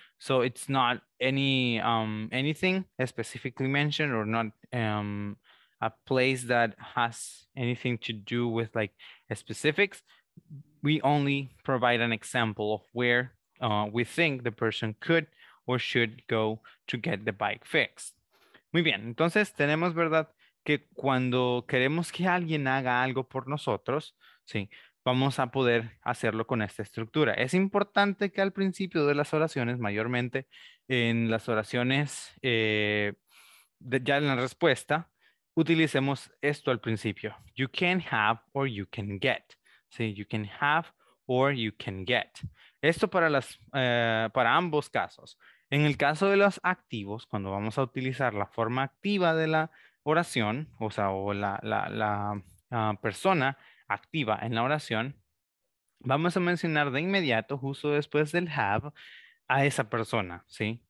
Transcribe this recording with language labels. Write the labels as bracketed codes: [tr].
[en] So it's not anything specifically mentioned or not a place that has anything to do with like specifics. We only provide an example of where we think the person could or should go to get the bike fixed. [es] Muy bien, entonces tenemos, ¿verdad? Que cuando queremos que alguien haga algo por nosotros, sí, vamos a poder hacerlo con esta estructura. Es importante que al principio de las oraciones, mayormente en las oraciones, ya en la respuesta, utilicemos esto al principio. [en] You can have or you can get. Sí, you can have or you can get. [es] Esto para ambos casos. En el caso de los activos, cuando vamos a utilizar la forma activa de la oración, o sea, o la persona activa en la oración, vamos a mencionar de inmediato, justo después del have, a esa persona, ¿sí?